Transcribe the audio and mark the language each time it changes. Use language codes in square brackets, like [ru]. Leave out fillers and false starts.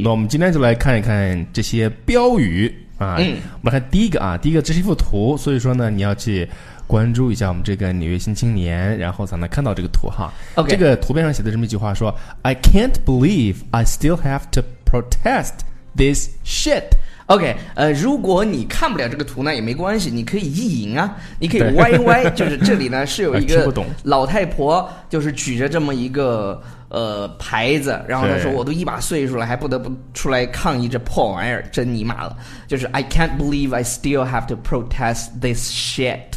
[zh] 那我们今天就来看一看这些标语啊。嗯，我们看第一个啊，第一个这是一幅图，所以说呢，你要去关注一下我们这个纽约新青年，然后才能看到这个图哈。 [en] Okay. [zh] 这个图片上写的这么一句话说 ： [en] “I can't believe I still have to protest.” This shit. [zh] OK， 如果你看不了这个图呢也没关系，你可以意淫啊，你可以歪歪，就是这里呢是有一个老太婆，就是举着这么一个牌子，然后她说我都一把岁数了还不得不出来抗议这破玩意儿，真你妈了，就是 [en] I can't believe I still have to protest this shit。